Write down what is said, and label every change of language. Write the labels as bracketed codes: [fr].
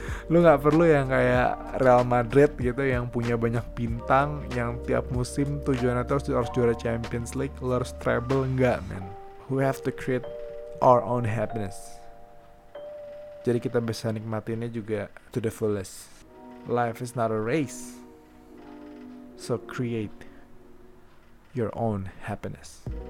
[id] Lo gak perlu yang kayak Real Madrid gitu, yang punya banyak bintang, yang tiap musim tujuannya terus harus juara Champions League, lo harus treble, enggak man. [en] We have to create our own happiness. [id] Jadi kita bisa nikmatinnya juga [en] to the fullest. Life is not a race, so create your own happiness.